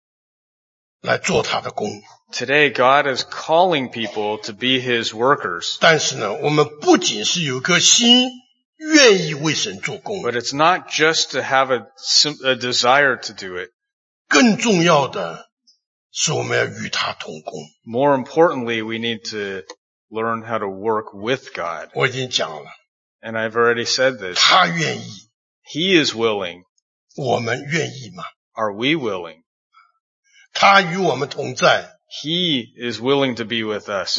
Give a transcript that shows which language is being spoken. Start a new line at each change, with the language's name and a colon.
Chinese: 今天神在呼召人来做他的工,
English: today God is calling people to be His workers.
Chinese: 但是呢,我们不仅是有个心愿意为神做工,
English: but it's not just to have a desire to do it.
Chinese: 更重要的是我们要与他同工。
English: More importantly, we need to learn how to work with God.
Chinese: 我已经讲了,
English: and I've already said this.
Chinese: 他愿意,
English: He is willing.
Chinese: 我们愿意吗?
English: Are we willing?
Chinese: 他与我们同在,
English: He is willing to be with us.